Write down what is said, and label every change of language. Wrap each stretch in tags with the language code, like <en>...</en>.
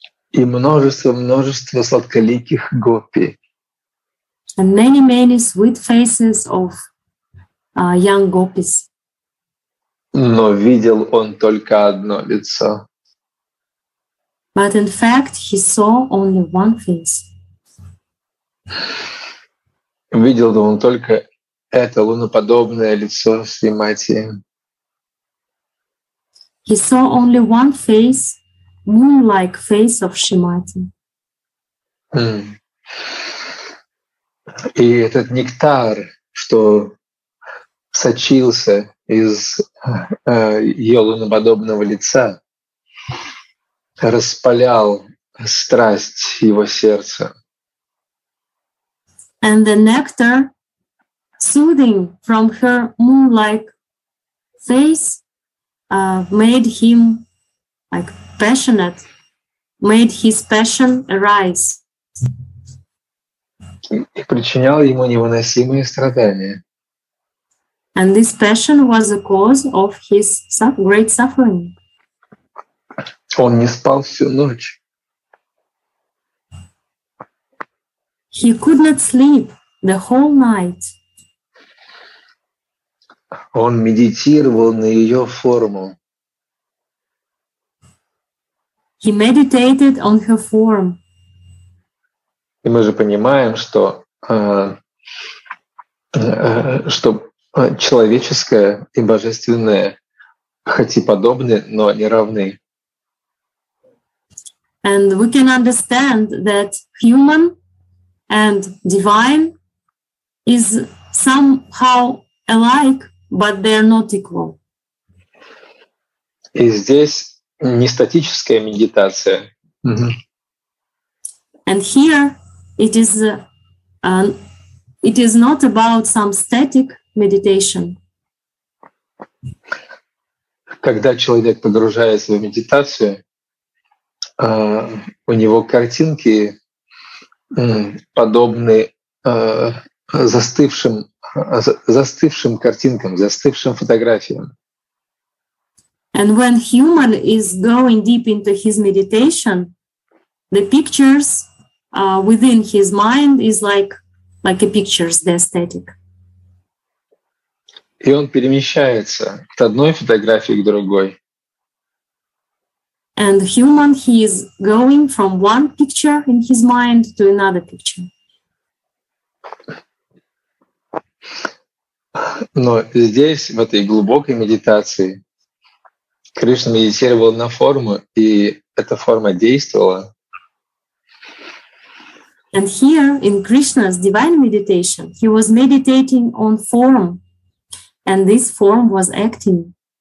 <ru>И множество сладколиких гопи.</ru> <en>And many, many sweet faces of young gopis.</en> <ru>Но видел он только одно лицо.</ru> <en>But in fact, he saw only one face.</en> <ru>Видел он только это луноподобное лицо Шримати.</ru> <en>He saw only one face, moon-like face of Шримати.</en> <ru>И этот нектар, что сочился из ее луноподобного лица, распалял страсть его сердца.</ru> <en>And the nectar, soothing from her moon-like face, made him like passionate, made his passion arise.</en> <ru>И причинял ему невыносимые страдания.</ru> <en>And this passion was the cause of his great suffering.</en> <ru>Он не спал всю ночь.</ru> <en>He could not sleep the whole night.</en> <ru>Он медитировал на ее форму.</ru> <en>He meditated on her form.</en> <ru>И мы же понимаем, что, что человеческое и божественное хоть и подобны, но не равны.</ru> <en>And we can understand that human and divine is somehow alike, but they are not equal.</en> <ru>И здесь не статическая медитация.</ru> <en>And here it is not about some static meditation.</en> <ru>Когда человек погружается в медитацию, у него картинки подобны застывшим картинкам, застывшим фотографиям.</ru> <en>And when human is going deep into his meditation, the pictures within his mind is like a pictures, the aesthetic.</en> <ru>И он перемещается от одной фотографии к другой.</ru> <en>And human, he is going from one picture in his mind to another picture.</en> <ru>Но здесь, в этой глубокой медитации, Кришна медитировал на форму, и эта форма действовала.</ru> <en>And here, in Krishna's divine meditation, he was meditating on form, and this form was acting.</en>